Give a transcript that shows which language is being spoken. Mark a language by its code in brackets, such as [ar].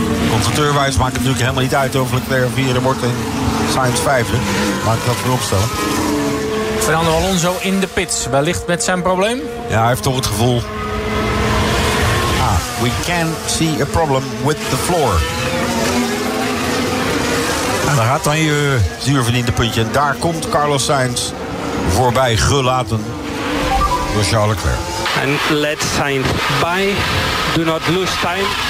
[nl] Constructeurwijs maakt het natuurlijk helemaal niet uit of Leclerc 4e wordt en Sainz 5e. Laat ik dat voorop stellen. Fernando Alonso in de pits. Wellicht met zijn probleem. Ja, hij heeft toch het gevoel. [en] Ah, we can see a problem with the floor. [nl] En daar gaat dan je zuurverdiende puntje. En daar komt Carlos Sainz voorbij gelaten door Charles Leclerc. [en] And let Sainz by. Do not lose time.